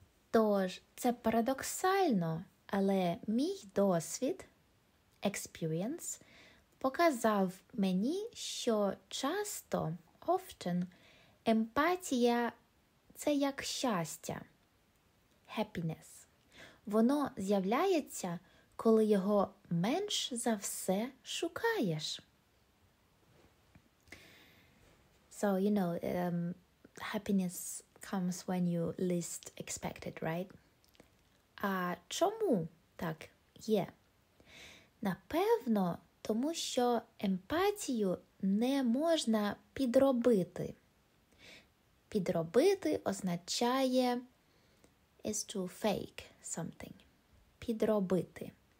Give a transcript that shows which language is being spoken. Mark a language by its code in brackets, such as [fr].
[uk] Тож, це парадоксально, але мій досвід, [en] experience, [uk] показав мені, що часто, [en] often, [uk] емпатія – це як щастя, [en] happiness. [uk] Воно з'являється, коли його менш за все шукаєш. [en] So, you know, happiness comes when you least expect it, right? [uk] А чому так є? Напевно, тому що емпатію не можна підробити. Підробити означає [en] is to fake something. [uk] Підробити.